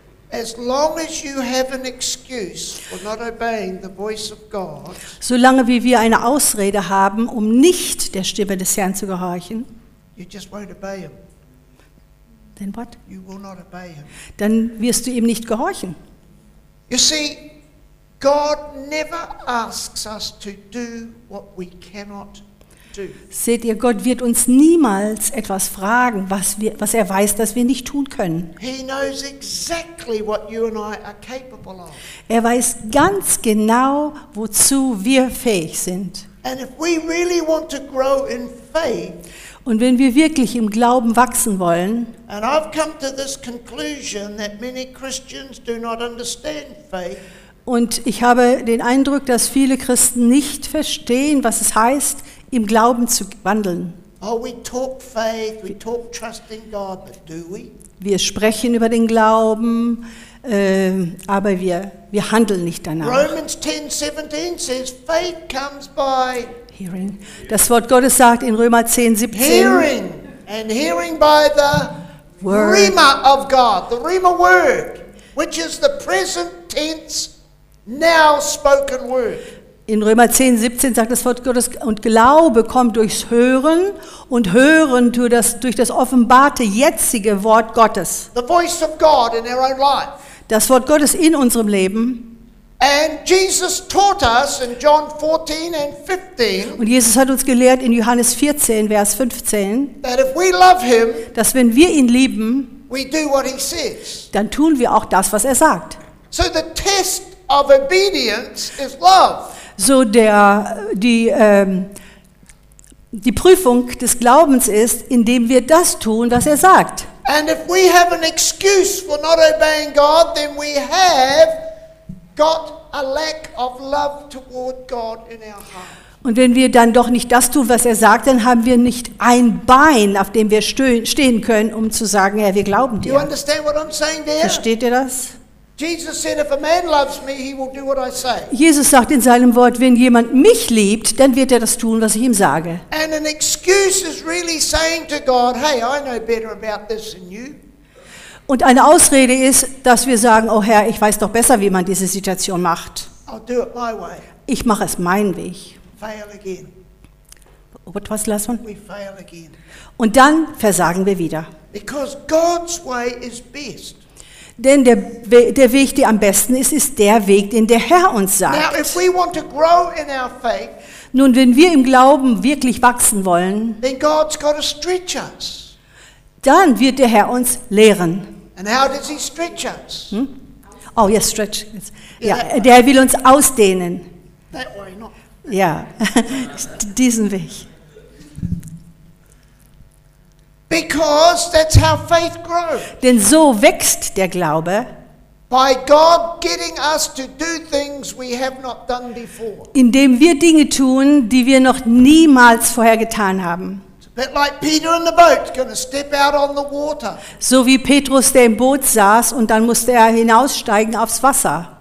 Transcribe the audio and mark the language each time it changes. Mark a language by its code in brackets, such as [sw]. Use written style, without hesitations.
[en] As long as you have an excuse for not obeying the voice of God. [de] Solange wie wir eine Ausrede haben, um nicht der Stimme des Herrn zu gehorchen. [en] You just won't obey him. Then what? You will not obey him. [de] Dann wirst du ihm nicht gehorchen. [en] You see, God never asks us to do what we cannot do. [de] Seht ihr, Gott wird uns niemals etwas fragen, was er weiß, dass wir nicht tun können. [en] He knows exactly what you and I are capable of. [de] Er weiß ganz genau, wozu wir fähig sind. [en] And if we really want to grow in faith, [de] und wenn wir wirklich im Glauben wachsen wollen, [en] and I've come to this conclusion that many Christians do not understand faith. [de] Und ich habe den Eindruck, dass viele Christen nicht verstehen, was es heißt, im Glauben zu wandeln. [en] Oh, we talk faith, we talk trusting God, but do we? [de] Wir sprechen über den Glauben, aber wir handeln nicht danach. [en] Romans 10:17 says, faith comes by hearing. [de] Das Wort Gottes sagt in Römer 10:17. [en] Hearing and hearing by the word. Rhema of God, the Rhema word, which is the present tense. Now spoken word. [de] In Römer 10:17 sagt das Wort Gottes, und Glaube kommt durchs Hören, und Hören durch das offenbarte jetzige Wort Gottes. [en] The voice of God in our own life. [de] Das Wort Gottes in unserem Leben. [en] And Jesus taught us in John 14 and 15. [de] Und Jesus hat uns gelehrt in Johannes 14, Vers 15. [en] That if we love him, [de] dass wenn wir ihn lieben, [en] we do what he says. [de] Dann tun wir auch das, was er sagt. [en] So the test of obedience is love. [de] So die Prüfung des Glaubens ist, indem wir das tun, was er sagt. [en] And if we have an excuse for not obeying God, then we have got a lack of love toward God in our heart. [de] Und wenn wir dann doch nicht das tun, was er sagt, dann haben wir nicht ein Bein, auf dem wir stehen können, um zu sagen, ja, wir glauben dir. [en] You understand what I'm saying there? [de] Versteht ihr das? [en] Jesus said, if a man loves me, he will do what I say. [de] Jesus sagt in seinem Wort, wenn jemand mich liebt, dann wird er das tun, was ich ihm sage. [en] And an excuse is really saying to God, hey, I know better about this than you. [de] Und eine Ausrede ist, dass wir sagen, oh Herr, ich weiß doch besser, wie man diese Situation macht. [en] I'll do it my way. [de] Ich mache es meinen Weg. [en] Fail again. What was the last one? We fail again. [de] Und dann versagen wir wieder. [en] Because God's way is best. [de] Denn der Weg, der am besten ist, ist der Weg, den der Herr uns sagt. [en] Now, if we want to grow in our faith, [de] nun, wenn wir im Glauben wirklich wachsen wollen, [en] then God's got to stretch us. [de] Dann wird der Herr uns lehren. [en] And how does he stretch us? Hm? Oh, yes, stretch. [de] Yeah, ja, der Herr will uns ausdehnen. [en] That way, not. [de] Ja, diesen Weg. [en] Because that's how faith grows. [de] Denn so wächst der Glaube. [en] By God getting us to do things we have not done before. [de] Indem wir Dinge tun, die wir noch niemals vorher getan haben. [en] It's a That like Peter in the boat going to step out on the water. [de] So wie Petrus, der im Boot saß und dann musste er hinaussteigen aufs Wasser.